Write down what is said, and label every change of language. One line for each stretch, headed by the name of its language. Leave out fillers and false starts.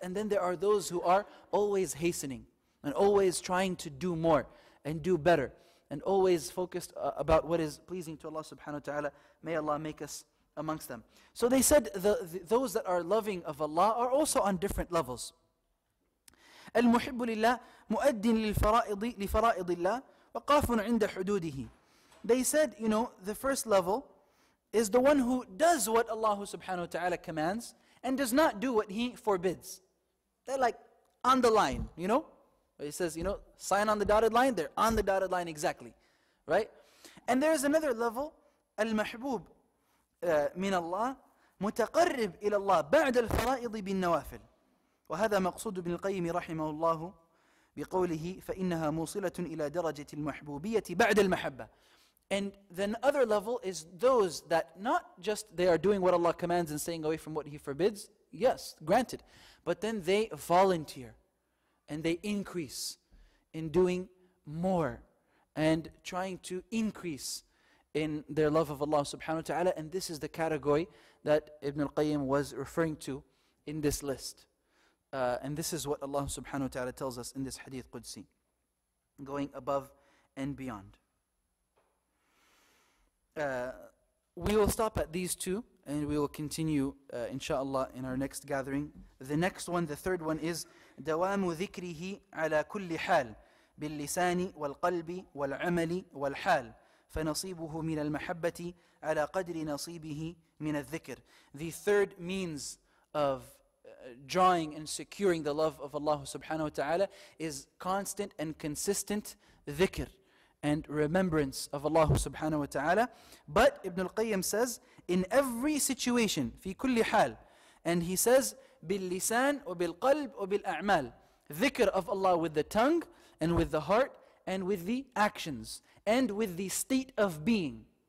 English: And then there are those who are always hastening and always trying to do more and do better and always focused about what is pleasing to Allah subhanahu wa ta'ala. May Allah make us amongst them. So they said those that are loving of Allah are also on different levels.
Arabic: المحب لله مؤد للفرائض لفرائض الله وقاف عند حدوده.
English: They said, you know, the first level is the one who does what Allah subhanahu wa ta'ala commands and does not do what He forbids. They're like on the line, you know? He says, you know, sign on the dotted line, they're on the dotted line exactly, right? And there is another level,
Arabic: المحبوب من الله متقرب إلى الله بعد الفرائض بالنوافل. وهذا مقصود ابن القيم رحمه الله بقوله فإنها موصلة إلى درجة المحبوبية بعد المحبة.
English: And then other level is those that not just they are doing what Allah commands and staying away from what He forbids, yes, granted, but then they volunteer and they increase in doing more and trying to increase in their love of Allah subhanahu wa ta'ala. And this is the category that Ibn al-Qayyim was referring to in this list. And this is what Allah subhanahu wa ta'ala tells us in this hadith Qudsi, going above and beyond. We will stop at these two, and we will continue, inshallah, in our next gathering. The next one, the third one, is
Arabic: دوام ذكره على كل حال باللسان والقلب والعمل والحال فنصيبه من المحبة على قدر نصيبه من الذكر.
English: The third means of drawing and securing the love of Allah subhanahu wa ta'ala is constant and consistent dhikr and remembrance of Allah subhanahu wa ta'ala. But Ibn al-Qayyim says, in every situation,
Arabic: في كل حال,
English: and he says,
Arabic: باللسان وبالقلب وبالأعمال,
English: dhikr of Allah with the tongue and with the heart and with the actions and with the state of being.